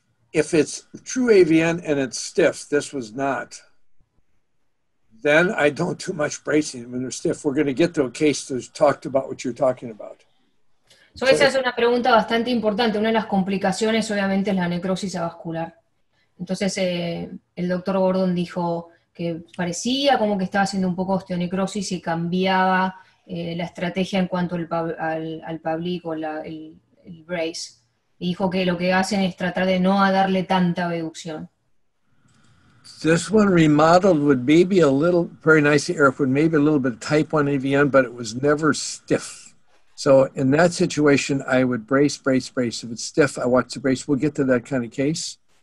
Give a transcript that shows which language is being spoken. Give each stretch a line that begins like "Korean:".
English: If it's true AVN and it's stiff, this was not, then I don't do much bracing when they're stiff. We're going to get to a case that's talked about what you're talking about.
Spanish: So esa es una pregunta bastante importante. Una de las complicaciones, obviamente, es la necrosis avascular. Entonces, el doctor Gordon dijo que parecía como que estaba haciendo un poco osteonecrosis y cambiaba la estrategia en cuanto al pavlik o el brace. Dijo que lo que hacen es tratar de no darle tanta reducción.
English: This one remodeled would maybe a little, very nicely, Eric, would maybe a little bit of type 1 AVN, but it was never stiff. So in that situation, I would brace. If it's stiff, I watch the brace. We'll get to that kind of case.